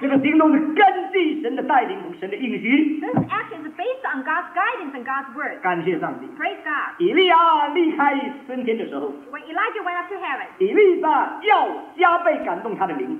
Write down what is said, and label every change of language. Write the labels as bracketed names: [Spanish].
[Chinese] 这个行动是根据神的带领和神的应许。 [English] This action is based on God's guidance and God's word. [Chinese] 感谢上帝。 [English] Praise God. [Chinese] 以利亚离开升天的时候。 [English] When Elijah went up to heaven. [Chinese] 以利亚要加倍感动他的灵。